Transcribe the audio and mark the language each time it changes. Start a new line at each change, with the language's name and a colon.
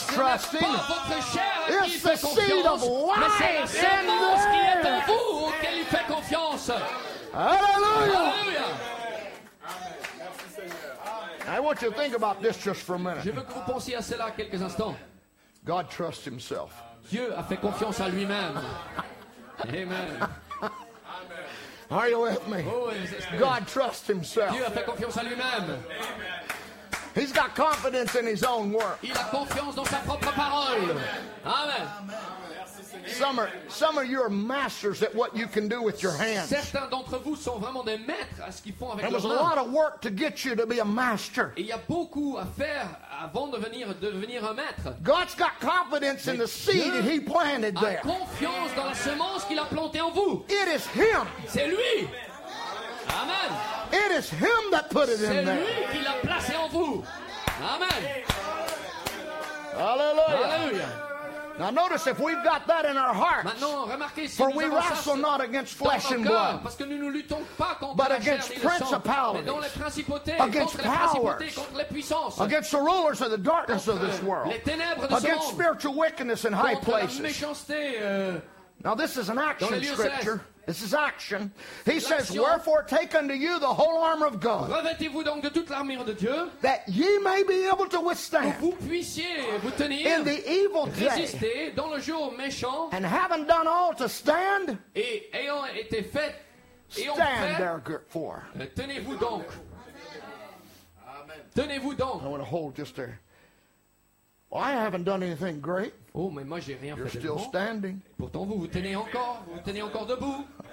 French: ce
English: trusting.
French: Votre chair
English: it's the seed of life.
French: C'est la semence qui est en vous auquel il fait confiance.
English: Hallelujah. Hallelujah. I want you to think about this just for a minute.
French: Je veux que vous pensiez à cela quelques instants.
English: God trusts himself.
French: Dieu a fait confiance à lui-même.
English: Amen. Are you with me? God trusts himself.
French: Dieu a fait confiance à lui-même.
English: He's got confidence in his own work.
French: Il a confiance dans sa propre parole. Amen.
English: Some of you are masters at what you can do with your hands.
French: Certains d'entre vous sont vraiment des maîtres à ce qu'ils font avec leurs mains.
English: There was a lot of work to get you to be a master.
French: Et il y a beaucoup à faire avant de devenir un maître.
English: God's got confidence in the seed that he planted there.
French: A confiance dans la semence qu'il a plantée en vous.
English: It is him.
French: C'est lui. Amen.
English: It is him that put it in there.
French: C'est lui qui l'a placé en vous. Amen. Hallelujah. Hallelujah.
English: Now notice, if we've got that in our hearts, for we wrestle not against flesh and blood, but against principalities, against powers, against the rulers of the darkness of this world, against spiritual wickedness in high places. Now this is an action scripture. This is action. He says, wherefore take unto you the whole armor of God,
French: revêtez-vous donc de toute l'armure de Dieu,
English: that ye may be able to withstand
French: vous puissiez vous tenir
English: in the evil day,
French: résister dans le jour méchant,
English: and having done all to stand,
French: et ayant été fait,
English: stand therefore.
French: Tenez-vous donc. Amen. Tenez-vous donc.
English: I want to hold just there. Well, I haven't done anything great.
French: Oh, mais moi, j'ai rien
English: You're still
French: debout.
English: Standing.
French: Pourtant, vous vous tenez encore. Vous vous tenez encore debout.